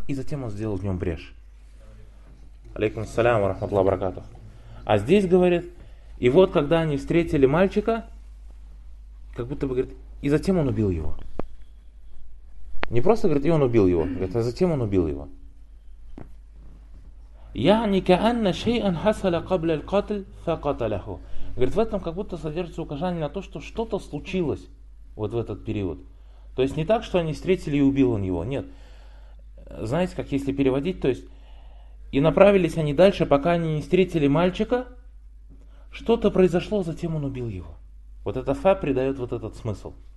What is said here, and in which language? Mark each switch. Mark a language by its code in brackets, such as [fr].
[ru] И затем он сделал в нем брешь. [ar] Алейкум ассалям ва рахматуллах ва баракатух. [ru] А здесь говорит, и вот когда они встретили мальчика, как будто бы говорит, и затем он убил его. Не просто говорит, и он убил его. Говорит, а затем он убил его. [ar] يعني كأن شيئا حصل قبل القتل فقتله. [ru] Говорит, в этом как будто содержится указание на то, что что-то случилось вот в этот период. То есть не так, что они встретили и убил он его. Нет. знаете, как если переводить, то есть, и направились они дальше, пока они не встретили мальчика. Что-то произошло, затем он убил его. Вот эта фа придает вот этот смысл.